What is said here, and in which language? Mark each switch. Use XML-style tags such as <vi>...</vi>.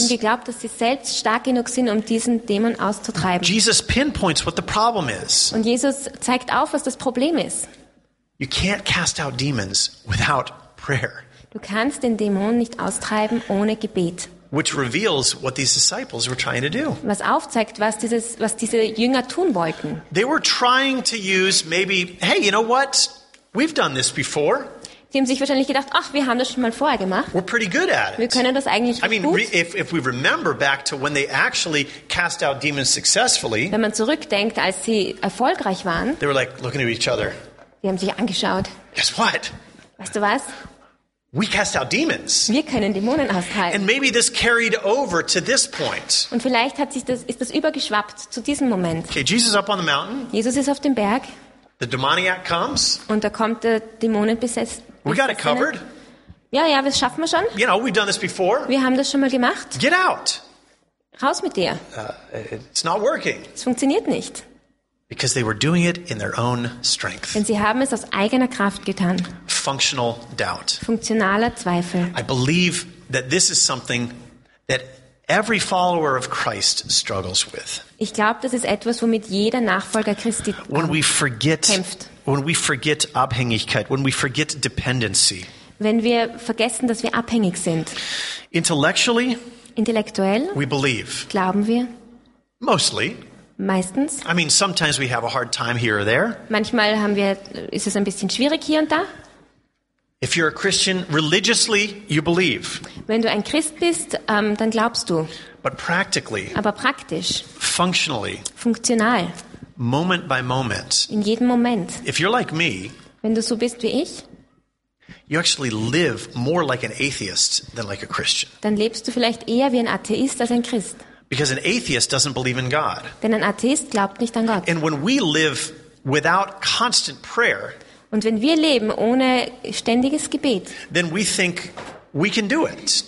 <de>Sie haben geglaubt, dass sie selbst stark genug sind, um diesen Dämon auszutreiben.</de> <en>Jesus pinpoints what the problem is.</en> <de>Und Jesus zeigt auf, was das Problem ist.</de> <en>You can't cast out demons without prayer.</en> <de>Du kannst den Dämon nicht austreiben ohne Gebet.</de> <en>Which reveals what these disciples were trying to do.</en> <de>Was aufzeigt, was diese Jünger tun wollten.</de> <en>They were trying to use maybe, hey, you know what? We've done this before.</en> <de>Sie haben sich wahrscheinlich gedacht, ach, wir haben das schon mal vorher gemacht.</de> <en>We're pretty good at it.</en> <de>Wir können das eigentlich</de> <en>I mean,</en> <de>gut.</de> <en>If we remember back to when they actually cast out demons successfully.</en> <de>Wenn man zurückdenkt, als sie erfolgreich waren.</de> <en>They were like looking at each other.</en> <de>Sie haben sich angeschaut.</de> <en>Guess what?</en> <de>Weißt du was?</de> <en>We cast out demons.</en> <de>Wir können Dämonen austreiben.</de> <en>And maybe this carried over to this point.</en> <de>Und vielleicht hat sich ist das übergeschwappt zu diesem Moment.</de> <en>Okay, Jesus up on the mountain.</en> <de>Jesus ist auf dem Berg.</de> <en>The demoniac comes.</en> <de>Und da kommt der Dämonenbesessene.</de> <en>We got it covered.</en> <de>Ja, das schaffen wir schon.</de> <en>You know, we've done this before.</en> <de>Wir haben das schon mal gemacht.</de> <en>Get out.</en> <de>Raus mit dir.</de> <en>It's not working.</en> <de>Es funktioniert nicht.</de> <en>Because they were doing it in their own strength.</en> <de>Denn sie haben es aus eigener Kraft getan.</de> <en>Functional doubt.</en> <de>Funktionaler Zweifel.</de> <en>I believe that this is something that every follower of Christ struggles with.</en> <de>Ich glaube, das ist etwas, womit jeder Nachfolger Christi kämpft.</de> <en>When we forget Abhängigkeit, when we forget dependency.</en> <de>Wenn wir vergessen, dass wir abhängig sind.</de> <en>Intellectually?</en> <de>Intellektuell?</de> <en>We believe.</en> <de>Glauben wir?</de> <en>Mostly.</en> <de>Meistens.</de> <en>I mean, sometimes we have a hard time here or there.</en> <de>Manchmal ist es ein bisschen schwierig hier und da.</de> <en>If you're a Christian, religiously you believe.</en> <de>Wenn du ein Christ bist, dann glaubst du.</de> <en>But practically.</en> <de>Aber praktisch.</de> <en>Functionally.</en> <de>Funktional.</de> <en>Moment by moment.</en> <de>In jedem Moment.</de> <en>If you're like me.</en> <de>Wenn du so bist wie ich.</de> <en>You actually live more like an atheist than like a Christian.</en> <de>Dann lebst du vielleicht eher wie ein Atheist als ein Christ.</de> <en>Because an atheist doesn't believe in God.</en> <de>Denn ein Atheist glaubt nicht an Gott.</de> <en>And when we live without constant prayer.</en> <de>Und wenn wir leben ohne ständiges Gebet.</de> <en>Then we think we can do it.</en>